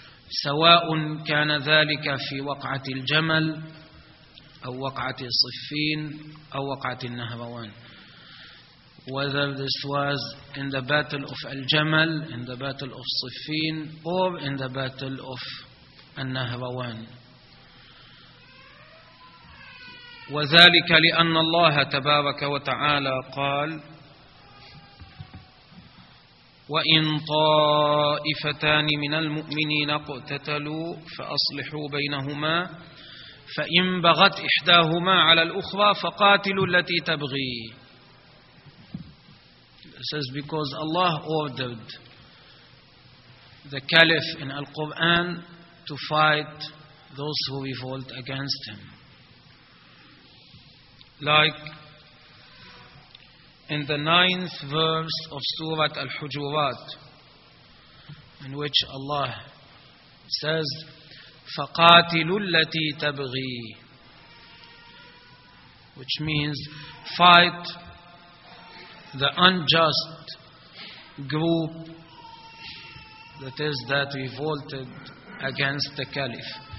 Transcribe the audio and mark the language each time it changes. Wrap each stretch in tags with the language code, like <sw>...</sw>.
<ar>سواء كان ذلك في وقعة الجمل أو وقعة صفين أو وقعة النهروان.</ar> <en>Whether this was in the battle of Al-Jamal, in the battle of Siffin, or in the battle of Al-Nahrawan.</en> <ar>وذلك لأن الله تبارك وتعالى قال وإن طائفتان من المؤمنين اقتتلوا فأصلحوا بينهما فإن بغت إحداهما على الأخرى فقاتلوا التي تبغي.</ar> <en>It says because Allah ordered the caliph in Al-Quran to fight those who revolt against him. Like in the 9th verse of Surah Al-Hujurat, in which Allah says,</en> <ar>فَقَاتِلُوا الَّتِي تَبْغِي,</ar> <en>which means fight the unjust group that is that revolted against the caliph.</en>